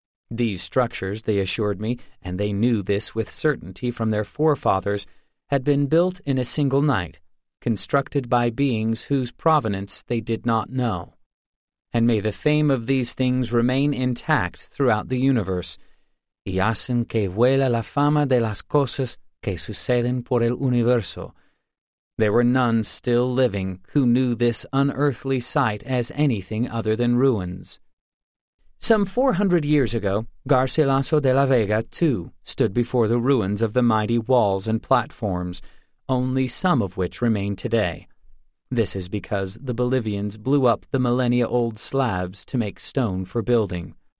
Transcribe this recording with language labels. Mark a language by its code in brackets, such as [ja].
[en] These structures, they assured me, and they knew this with certainty from their forefathers, had been built in a single night, constructed by beings whose provenance they did not know. And may the fame of these things remain intact throughout the universe. [es] Y hacen que vuela la fama de las cosas que suceden por el universo. [en] There were none still living who knew this unearthly sight as anything other than ruins. Some 400 years ago, Garcilaso de la Vega, too, stood before the ruins of the mighty walls and platforms, only some of which remain today. This is because the Bolivians blew up the millennia-old slabs to make stone for building.